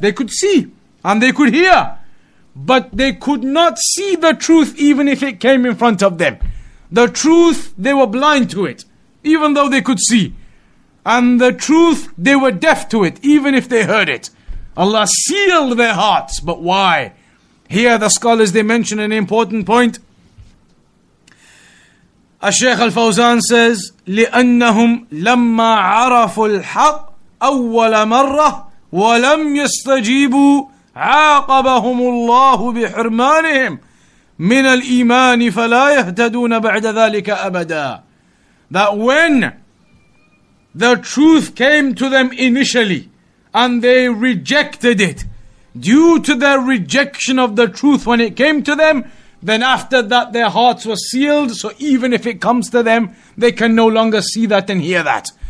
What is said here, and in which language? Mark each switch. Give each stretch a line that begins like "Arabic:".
English: They could see and they could hear, but they could not see the truth even if it came in front of them. The truth, they were blind to it, even though they could see. And the truth, they were deaf to it, even if they heard it. Allah sealed their hearts. But why? Here the scholars, they mention an important point.
Arabic: الشيخ الفوزان
English: says,
Arabic: لأنهم لما عرفوا الحق أول مرة ولم يستجيبوا عاقبهم الله بحرمانهم من الإيمان فلا يهتدون بعد ذلك أبدا.
English: That when the truth came to them initially and they rejected it, due to their rejection of the truth when it came to them, then after that their hearts were sealed, so even if it comes to them, they can no longer see that and hear that.